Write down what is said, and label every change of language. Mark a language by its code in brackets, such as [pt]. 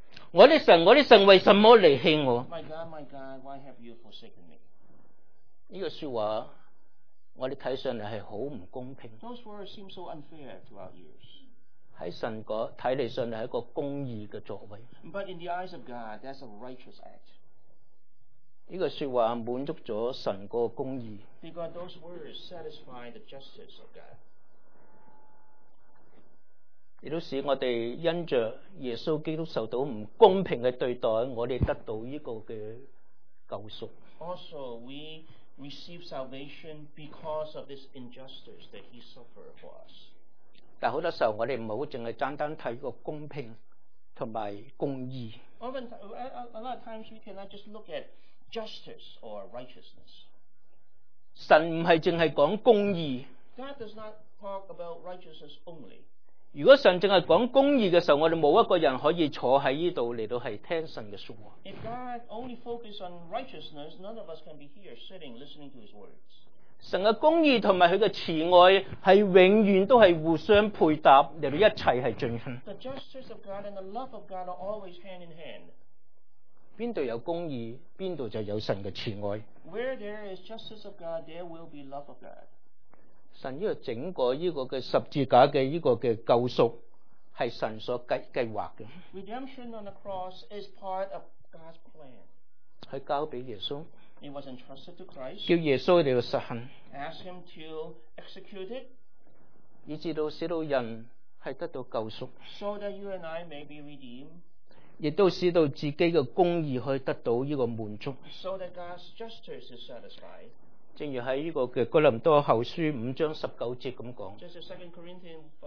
[zh] 我的神，我的神，为什么离弃我？ [en] My God, my God, why have you forsaken me? [zh] 这个说话我们看上来是很不公平。 [en] Those words seem so unfair to our ears. [zh] 在神的看来上来是一个公义的作为。 [en] But in the eyes of God, that's a righteous act. [zh] 这个说话满足了神的公义。 [en] Because those words satisfy the justice of God. [zh] 也都使我们因着耶稣基督受到不公平的对待，我们得到这个救赎。 [en] Also, we receive salvation because of this injustice that he suffered for us. [zh] 但很多时候我们不要只是单单看个公平和公义。 [en] Often, a lot of times we cannot just look at justice or righteousness. [zh] 神不是只是讲公义。 [en] God does not talk about righteousness only. [zh] 如果神只是讲公义的时候，我们没有一个人可以坐在这里来到听神的说话。 [en] If God only focuses on righteousness, none of us can be here sitting listening to his words. [zh] 神的公义和他的慈爱是永远都是互相配搭来到一切是进行。 [en] The justice of God and the love of God are always hand in hand. [zh] 哪里有公义，哪里就有神的慈爱。 [en] Where there is justice of God, there will be love of God. [zh] 神这个整个这个十字架的这个救赎是神所计划的。 [en] Redemption on the cross is part of God's plan. [zh] 他交给耶稣。 [en] It was entrusted to Christ. [zh] 叫耶稣来实行。 [en] Ask him to execute it. [zh] 以致到使到人是得到救赎。 [en] So that you and I may be redeemed. [zh] 也都使到自己的公义可以得到这个满足。 [en] So that God's justice is satisfied. [zh] 正如在这个哥林多后书五章十九节这样